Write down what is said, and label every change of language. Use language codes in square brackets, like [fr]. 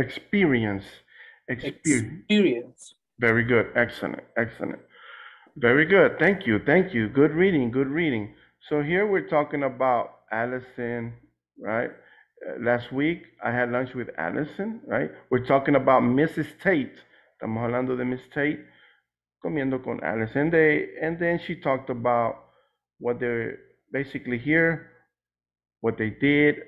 [en] Very good. Excellent. Very good. Thank you. Good reading. So here we're talking about Allison, right? Last week I had lunch with Allison, right? We're talking about Mrs. Tate. [es] Estamos hablando de Miss Tate comiendo con Allison. [en] And then she talked about what they're basically here, what they did.